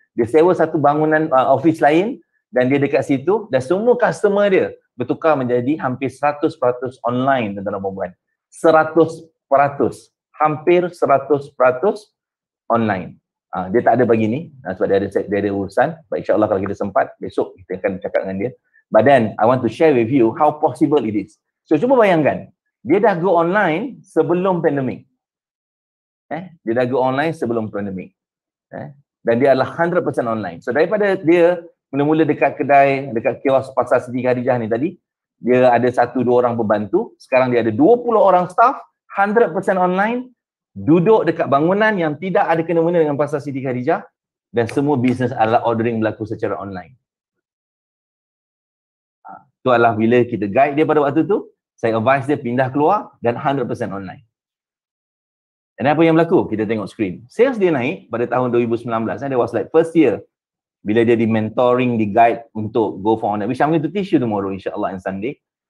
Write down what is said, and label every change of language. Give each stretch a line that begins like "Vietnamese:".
Malay: Dia sewa satu bangunan office lain dan dia dekat situ. Dan semua customer dia bertukar menjadi hampir 100% online, tuan-tuan dan puan-puan. 100%. Hampir 100% online. Dia tak ada pagi ni sebab dia ada urusan. But insyaAllah kalau kita sempat, besok kita akan cakap dengan dia.
English: But then, I want to share with you how possible it is.
Malay: So, cuba bayangkan. Dia dah go online sebelum pandemik. Dia dah go online sebelum pandemik. Dan dia adalah 100% online. So, daripada dia mula-mula dekat kedai, dekat kios Pasar Siti Khadijah ni tadi, dia ada 1-2 orang pembantu. Sekarang dia ada 20 orang staff, 100% online. Duduk dekat bangunan yang tidak ada kena-mena dengan Pasar Siti Khadijah dan semua bisnes adalah ordering berlaku secara online. Itu adalah bila kita guide dia pada waktu tu, saya advise dia pindah keluar dan 100% online. Dan apa yang berlaku? Kita tengok screen. Sales dia naik pada tahun 2019.
English: That was like first year
Malay: bila dia di mentoring, di guide untuk
English: go for online, which I'm going to teach you tomorrow insyaAllah on Sunday.